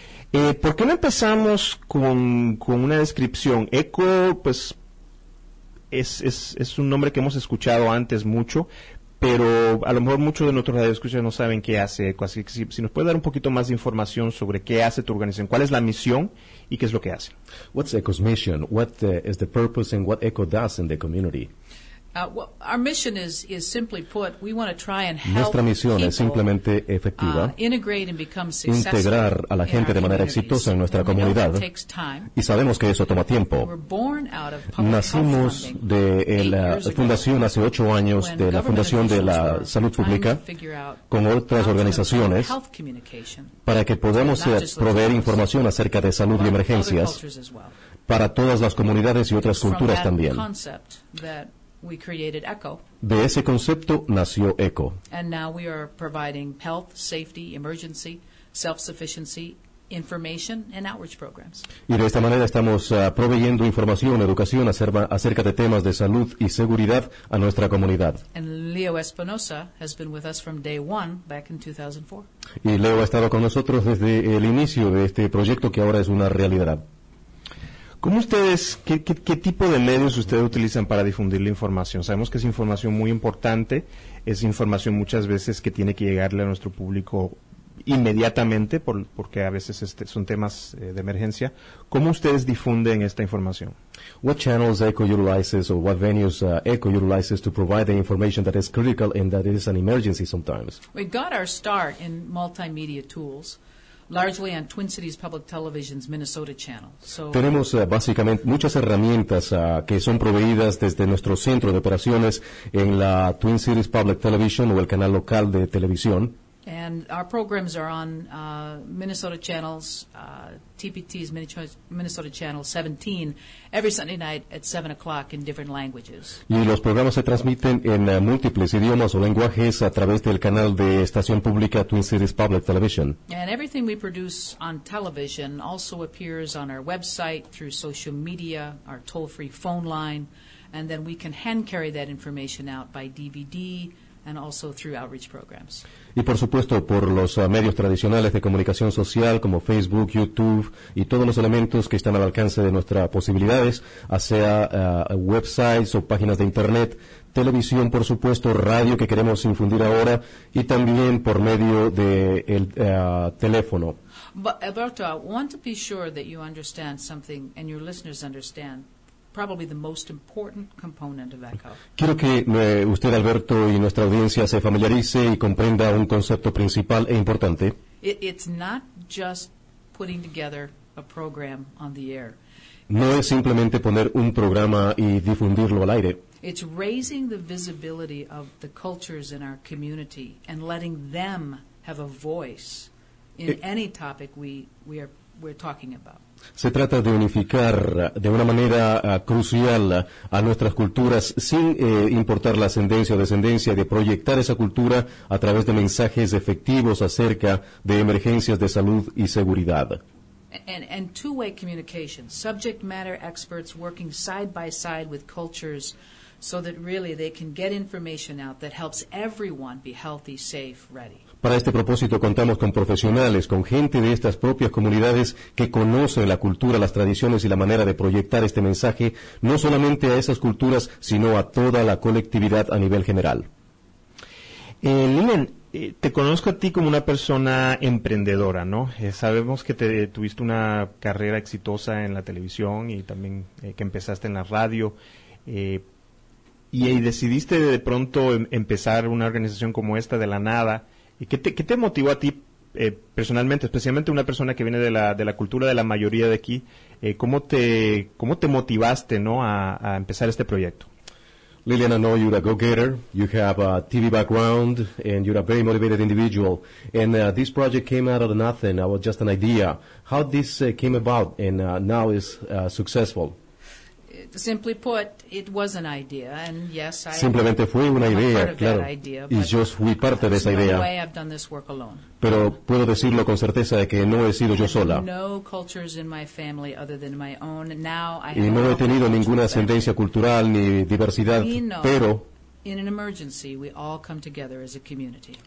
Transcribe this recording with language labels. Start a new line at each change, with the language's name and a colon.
Spanish: ¿Por qué no empezamos con una descripción? ECO, pues, es un nombre que hemos escuchado antes mucho, pero a lo mejor muchos de nuestros radioescuchas no saben qué hace ECO. Así que si nos puede dar un poquito más de información sobre qué hace tu organización, cuál es la misión y qué es lo que hace.
English: What's ECO's mission? What is the purpose and what ECO does in the community? Our mission is simply put, we want to try and help.
Spanish: Nuestra misión es simplemente efectiva.
English: Integrate and become successful.
Spanish: Integrar a la gente de manera exitosa en nuestra comunidad. Y sabemos que eso toma tiempo. Nacimos de la fundación hace 8 años de la Fundación de la Salud Pública con otras organizaciones para que podamos proveer información acerca de salud y emergencias para todas las comunidades y otras culturas también.
English: We created ECO.
Spanish: De ese concepto nació ECO.
English: And now we are providing health, safety, emergency, self-sufficiency, information, and outreach programs.
Spanish: Y de esta manera estamos proveyendo información, educación acerca de temas de salud y seguridad a nuestra comunidad.
English: And Leo Espinosa has been with us from day one back in 2004.
Spanish: Y Leo ha estado con nosotros desde el inicio de este proyecto que ahora es una realidad. ¿Cómo ustedes, qué tipo de medios ustedes utilizan para difundir la información? Sabemos que es información muy importante, es información muchas veces que tiene que llegarle a nuestro público inmediatamente, porque a veces son temas de emergencia. ¿Cómo ustedes difunden esta información?
English: What channels ECO utilizes or what venues ECO utilizes to provide the information that is critical and that is an emergency sometimes? We got our start in multimedia tools. Largely on Twin Cities Public Television's Minnesota channel.
Spanish: So, tenemos básicamente muchas herramientas que son proveídas desde nuestro centro de operaciones en la Twin Cities Public Television o el canal local de televisión.
English: And our programs are on Minnesota channels, TPT's Minnesota channel 17, every Sunday night at 7 o'clock in different languages.
Spanish: Y los programas se transmiten en múltiples idiomas o lenguajes a través del canal de estación pública Twin Cities Public Television.
English: And everything we produce on television also appears on our website, through social media, our toll-free phone line, and then we can hand-carry that information out by DVD, and also through outreach programs.
Spanish: Y por supuesto por los medios tradicionales de comunicación social como Facebook, YouTube y todos los elementos que están al alcance de nuestras posibilidades, sea websites o páginas de internet, televisión por supuesto, radio que queremos infundir ahora y también por medio de el teléfono.
English: But Alberto, I want to be sure that you understand something and your listeners understand. Probably the most important component of ECO.
Spanish: Quiero que usted, Alberto, y nuestra audiencia se familiarice y comprenda un concepto principal e importante.
English: It's not just putting together a program on the air.
Spanish: No es simplemente poner un programa y difundirlo al aire.
English: It's raising the visibility of the cultures in our community and letting them have a voice in any topic we're talking about.
Spanish: Se trata de unificar de una manera crucial a nuestras culturas sin importar la ascendencia o descendencia, de proyectar esa cultura a través de mensajes efectivos acerca de emergencias de salud y seguridad.
English: And two-way communication, subject matter experts working side by side with cultures so that really they can get information out that helps everyone be healthy, safe, ready.
Spanish: Para este propósito contamos con profesionales, con gente de estas propias comunidades que conocen la cultura, las tradiciones y la manera de proyectar este mensaje, no solamente a esas culturas, sino a toda la colectividad a nivel general. Lilian, te conozco a ti como una persona emprendedora, ¿no? Sabemos que tuviste una carrera exitosa en la televisión y también que empezaste en la radio. Y decidiste de pronto empezar una organización como esta de la nada. ¿Y qué te motivó a ti personalmente, especialmente una persona que viene de la cultura de la mayoría de aquí? ¿Cómo te motivaste, ¿no?, a empezar este proyecto?
English: Lilian, I know you're a go-getter. You have a TV background, and you're a very motivated individual. And this project came out of nothing. It was just an idea. How this came about and now is successful? Simply put, it was an idea, and yes,
Spanish: simplemente fue una idea, claro, idea, y yo fui parte de esa idea. Pero puedo decirlo con certeza de que no he sido yo sola. Y no he tenido ninguna ascendencia cultural ni diversidad, pero
English: in an emergency, we all come together as a community.